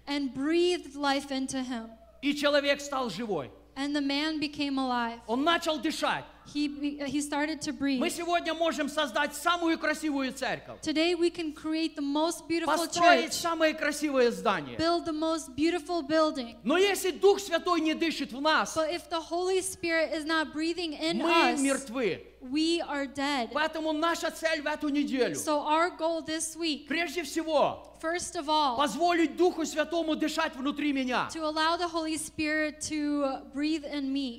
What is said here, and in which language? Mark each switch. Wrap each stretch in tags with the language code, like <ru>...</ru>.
<en>and breathed life into him.</en> <ru>И человек стал живой.</ru> <en>And the man became alive.</en> <ru>Он начал дышать.</ru> <en>He started to breathe.</en> <ru>Мы сегодня можем создать самую красивую церковь.</ru> <en>Today we can create the most beautiful</en> <ru>построить</ru> <en>church.</en> <ru>Построить самое красивое здание.</ru> <en>Build the most beautiful building.</en> <ru>Но если Дух Святой не дышит в нас,</ru> <en>but if the Holy Spirit is not breathing in</en> <ru>мы</ru> <en>us,</en> <ru>мертвы.</ru> <en>We are dead.</en> <ru>Поэтому наша цель в эту неделю.</ru> <en>So our goal this week.</en> <ru>Прежде всего.</ru> <en>First of all.</en> <ru>Позволить Духу Святому дышать внутри меня.</ru> <en>To allow the Holy Spirit to breathe in me.</en>